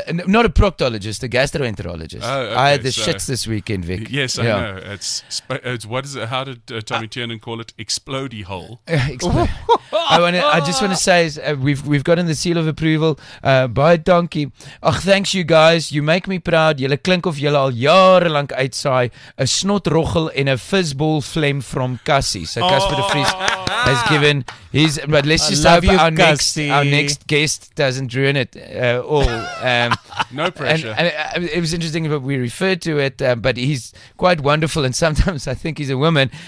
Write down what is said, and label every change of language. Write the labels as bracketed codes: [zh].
[en] Not a proctologist, a gastroenterologist. Oh, okay, I had the shits this weekend, Vic. Yes, yeah. I know. How did Tommy Tiernan call it? Explodey hole. I just want to say is we've gotten the seal of approval. [af] Baie dankie. [en] Ach, thanks you guys. You make me proud. [af] Julle klink of julle al jare lank uitsaai. [en] A snot rochel in a fizzball phlegm from Cassie. So Casper de Vries has given his... But let's just hope our next guest doesn't ruin it all. no pressure. And it was interesting that we referred to it, but he's quite wonderful, and sometimes I think he's a woman.